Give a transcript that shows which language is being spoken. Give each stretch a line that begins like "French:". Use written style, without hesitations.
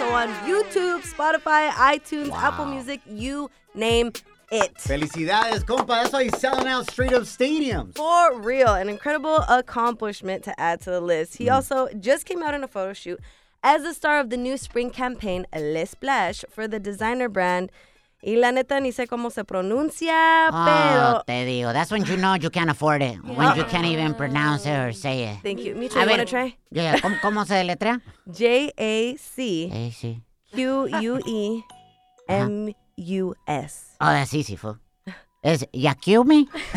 English: Wow. So on YouTube, Spotify, iTunes, Apple Music, you name it.
Spanish: Felicidades, compa.
English: That's why he's selling out straight up stadiums. For real. An incredible accomplishment to add to the list. He also just came out in a photo shoot as the star of the new spring campaign, Le Splash, for the designer brand.
Spanish: Y la neta, ni sé cómo se pronuncia, pero... Oh, te digo.
English: That's when you know you can't afford it. When you can't even pronounce it or say it. Thank you. Micho, you want to try?
Spanish: Yeah. ¿Cómo se deletrea? J-A-C-Q-U-E-M-U-S.
English: Oh, that's easy, fool.
Spanish: Es Yakumi.